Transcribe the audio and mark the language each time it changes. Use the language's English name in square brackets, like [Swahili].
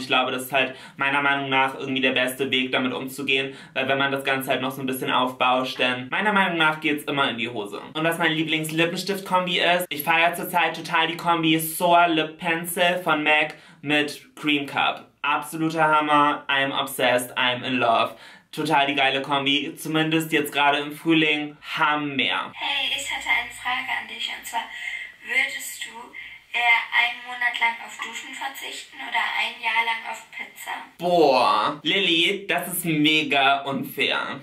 [German] Ich glaube, das ist halt meiner Meinung nach irgendwie der beste Weg, damit umzugehen, weil wenn man das Ganze halt noch so ein bisschen aufbauscht, dann meiner Meinung nach geht es immer in die Hose. Und was mein Lieblings-Lippenstift-Kombi ist, ich feiere zurzeit total die Kombi Soar Lip Pencil von MAC mit Cream Cup. Absoluter Hammer, [English] I'm obsessed, I'm in love. [German] Total die geile Kombi, zumindest jetzt gerade im Frühling, Hammer. Hey, ich hatte eine Frage an dich und zwar, würdest du eher einen Monat lang auf Duschen verzichten oder ein Jahr lang auf Pizza? Boah, Lilly, das ist mega unfair.